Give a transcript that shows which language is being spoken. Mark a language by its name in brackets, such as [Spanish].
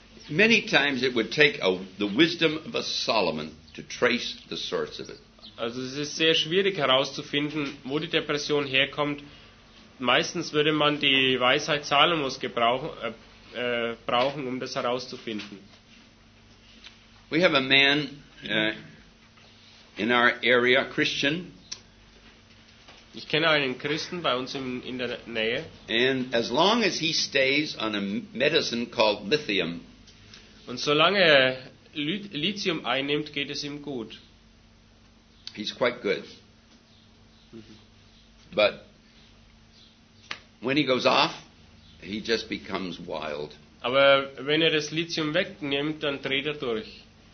[English] Many times it would take the wisdom of a Solomon to trace the source of it. [German] Also es ist sehr schwierig herauszufinden, wo die Depression herkommt. Meistens würde man die Weisheit Salomos brauchen, um das herauszufinden. [English] We have a man in our area, Christian. [German] Ich kenne einen Christen bei uns in der Nähe. [English] And as long as he stays on a medicine called lithium. [German] Und solange er Lithium einnimmt, geht es ihm gut. [English] He's quite good. Mm-hmm. But when he goes off, he just becomes wild. [German] Aber wenn er das Lithium wegnimmt, dann dreht er durch.